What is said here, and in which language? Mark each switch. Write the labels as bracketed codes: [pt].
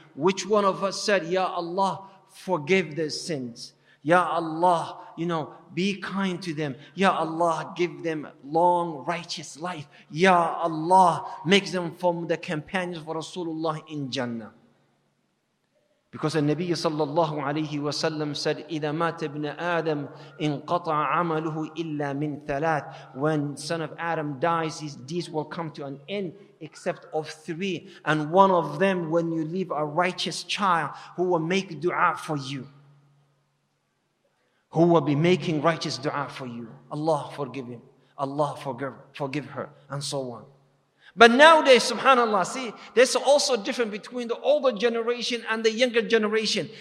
[en] Which one of us said, Ya Allah, forgive their sins. Ya Allah, you know, be kind to them. Ya Allah, give them long, righteous life. Ya Allah, make them from the companions of Rasulullah in Jannah. Because the Nabi sallallahu alayhi wa sallam said, [ar] إِذَا مَاتَ ابْنَ آدَمْ إِنْ قَطَعَ عَمَلُهُ إِلَّا مِنْ ثَلَاثٍ. [en] When son of Adam dies, his deeds will come to an end except of three. And one of them, when you leave a righteous child who will make dua for you. Who will be making righteous dua for you. Allah forgive him. Allah forgive her. And so on. But nowadays, subhanAllah, see, there's also a difference between the older generation and the younger generation.